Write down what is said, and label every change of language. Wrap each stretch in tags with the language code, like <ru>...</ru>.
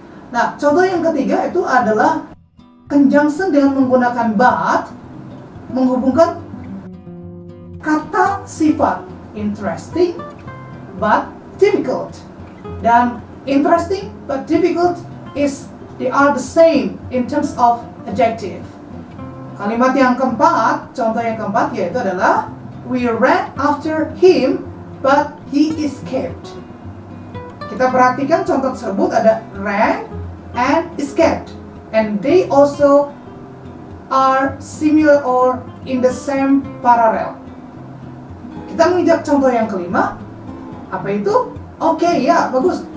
<id>Nah, contoh yang ketiga itu adalah conjunction dengan menggunakan but menghubungkan kata sifat</id> <en>interesting but difficult. Dan interesting but difficult is they are the same in terms of adjective.</en> <id>Kalimat yang keempat, contoh yang keempat yaitu adalah</id> <en>we ran after him but he escaped.</en> <id>Kita perhatikan contoh tersebut ada</id> <en>ran and escaped, and they also are similar or in the same parallel.</en> <id>Kita menginjak contoh yang kelima. Apa itu? Okay, yeah, bagus.</id>